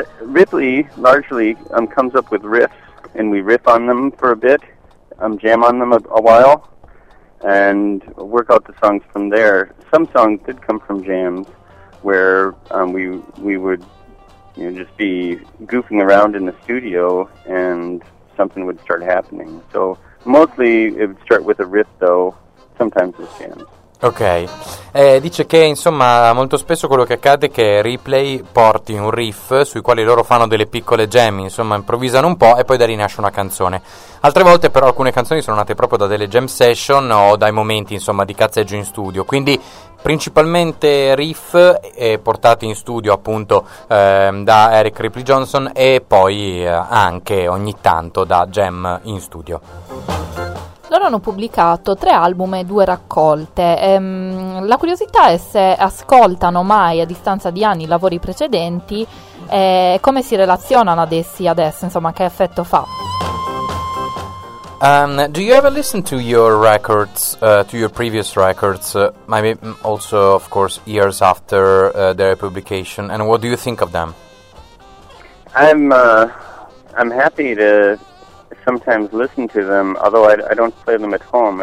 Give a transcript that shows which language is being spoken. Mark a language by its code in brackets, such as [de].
[en] Ripley largely comes up with riffs, and we riff on them for a bit, jam on them a while, and work out the songs from there. Some songs did come from jams, where we would just be goofing around in the studio and something would start happening. So mostly it would start with a riff, though, sometimes with jams. [it] Ok, dice che insomma molto spesso quello che accade è che Ripley porti un riff sui quali loro fanno delle piccole jam, insomma improvvisano un po' e poi da lì nasce una canzone. Altre volte però alcune canzoni sono nate proprio da delle jam session o dai momenti insomma di cazzeggio in studio, quindi principalmente riff portati in studio appunto da Eric Ripley Johnson e poi anche ogni tanto da jam in studio. Loro hanno pubblicato 3 album e 2 raccolte. La curiosità è se ascoltano mai a distanza di anni i lavori precedenti e come si relazionano ad essi adesso, insomma, che effetto fa? [en] Do you ever listen to your records, to your previous records, maybe also of course years after their publication, and what do you think of them? I'm happy to sometimes listen to them, although I don't play them at home.